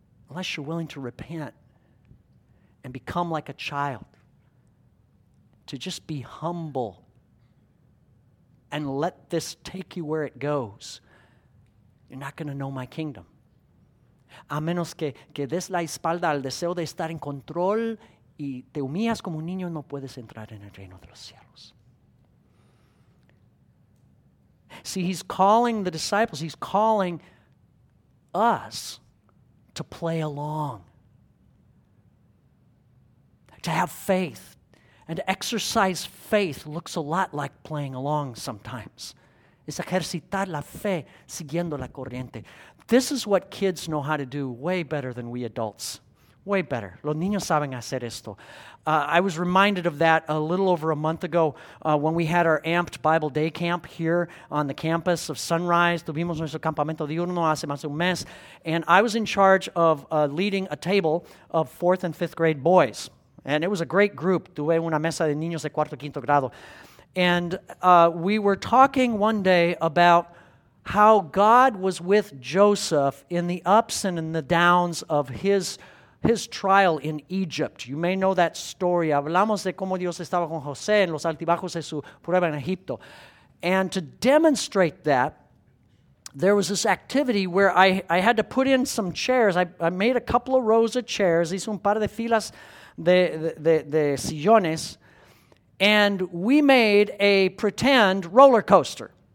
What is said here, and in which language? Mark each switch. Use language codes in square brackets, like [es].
[en] unless you're willing to repent and become like a child, to just be humble and let this take you where it goes, you're not going to know my kingdom. [es] A menos que des la espalda al deseo de estar en control y te humillas como un niño, no puedes entrar en el reino de los cielos. [en] See, he's calling the disciples, he's calling us to play along, to have faith. And to exercise faith looks a lot like playing along sometimes. [es] Es ejercitar la fe siguiendo la corriente. [en] This is what kids know how to do way better than we adults. Way better. [es] Los niños saben hacer esto. [en] I was reminded of that a little over a month ago when we had our Amped Bible Day Camp here on the campus of Sunrise. [es] Tuvimos nuestro campamento diurno hace más de un mes. [en] And I was in charge of leading a table of fourth and fifth grade boys. And it was a great group. [es] Tuve una mesa de niños de cuarto y quinto grado. [en] And we were talking one day about how God was with Joseph in the ups and in the downs of his trial in Egypt. You may know that story. [es] Hablamos de cómo Dios estaba con José en los altibajos de su prueba en Egipto. [en] And to demonstrate that, there was this activity where I had to put in some chairs. I made a couple of rows of chairs. [es] Hice un par de filas de sillones. [en] And we made a pretend roller coaster.